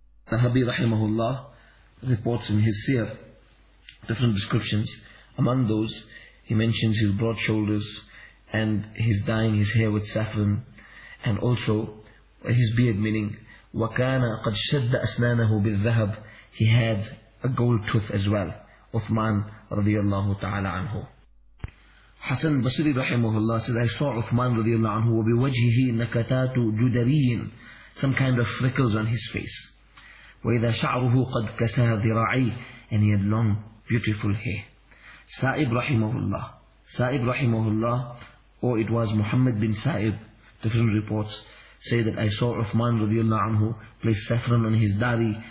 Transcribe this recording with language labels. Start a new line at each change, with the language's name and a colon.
English: Zahabi rahimahullah reports in his seer different descriptions. Among those, he mentions his broad shoulders, and he's dyeing his hair with saffron, and also his beard, meaning
Arabic: وَكَانَ قَدْ شَدَّ أَسْنَانَهُ بِالذَّهَبِ.
English: He had a gold tooth as well. Uthman رضي الله تعالى عنه. حسن بصري رحمه الله said, I saw Uthman رضي الله عنه
Arabic: وَبِوَجْهِهِ نَكَتَاتُ جُدَرِيٍ.
English: Some kind of freckles on his face.
Arabic: وَإِذَا شَعْرُهُ قَدْ كَسَى ذِرَاعِي.
English: And he had long, beautiful hair.
Arabic: سائب رحمه الله.
English: Sa'ib rahimahullah, or it was Muhammad bin Sa'ib, different reports say that I saw Uthman radiallahu anhu place saffron on his dari.